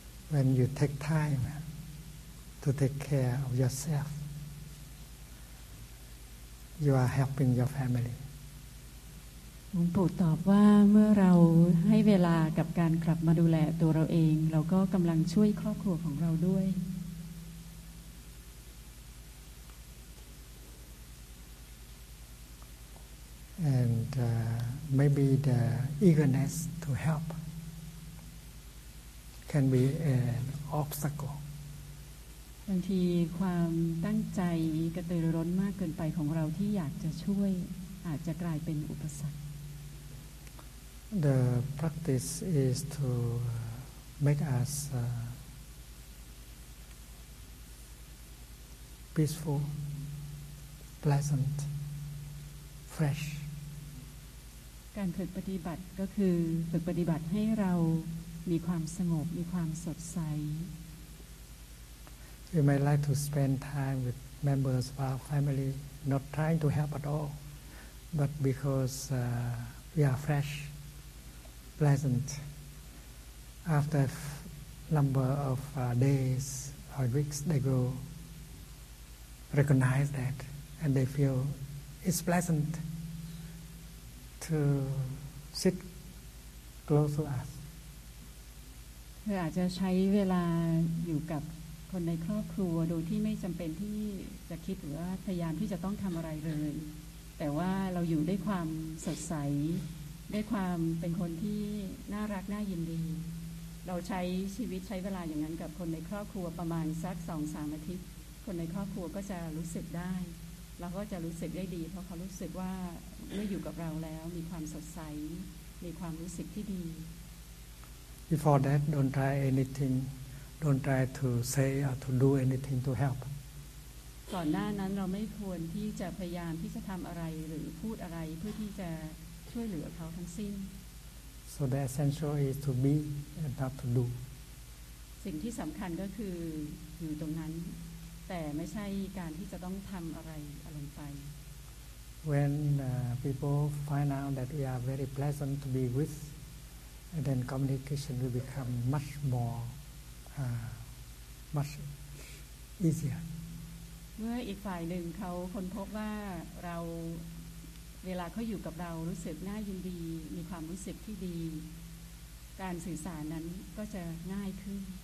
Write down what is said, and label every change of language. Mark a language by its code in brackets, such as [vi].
[en] When you take time to take care of yourself, you are helping your family. [th] หลวงปู่ตอบว่าเมื่อเราให้เวลากับการกลับมาดูแลตัวเราเองเราก็กำลังช่วยครอบครัวของเราด้วย [en] And maybe the eagerness to helpcan be an obstacle [th] บางทีความตั้งใจกระตือร้นมากเกินไปของเราที่อยากจะช่วยอาจจะกลายเป็นอุปสรรค [en] The practice is to make us peaceful pleasant fresh [th] การฝึกปฏิบัติก็คือฝึกปฏิบัติให้เรามีความสงบมีความสดใส [en] You might like to spend time with members of our family not trying to help at all but because we are fresh pleasant after number of days or weeks they go recognize that and they feel it's pleasant to sit close to us [th] เธออาจจะใช้เวลาอยู่กับคนในครอบครัวโดยที่ไม่จำเป็นที่จะคิดหรือว่าพยายามที่จะต้องทำอะไรเลยแต่ว่าเราอยู่ด้วยความสดใสด้วยความเป็นคนที่น่ารักน่ายินดีเราใช้ชีวิตใช้เวลาอย่างนั้นกับคนในครอบครัวประมาณสัก 2-3 อาทิตย์คนในครอบครัวก็จะรู้สึกได้เราก็จะรู้สึกได้ดีเพราะเขารู้สึกว่าเมื่ออยู่กับเราแล้วมีความสดใสมีความรู้สึกที่ดี [en] Before that, don't try anything. Don't try to say or to do anything to help. [th] ก่อนหน้านั้นเราไม่ควรที่จะพยายามที่จะทำอะไรหรือพูดอะไรเพื่อที่จะช่วยเหลือเขาทั้งสิ้น [en] So the essential is to be and not to do. [th] สิ่งที่สำคัญก็คืออยู่ตรงนั้นแต่ไม่ใช่การที่จะต้องทำอะไรอะไรไป [en] When people find out that we are very pleasant to be withAnd then communication will become much more, much easier. [th] เมื่ออีกฝ่ายหนึ่งเขาค้นพบว่าเราเวลาเขาอยู่กับเรารู้สึกน่ายินดีมีความรู้สึกที่ดีการสื่อสารนั้นก็จะง่ายขึ้น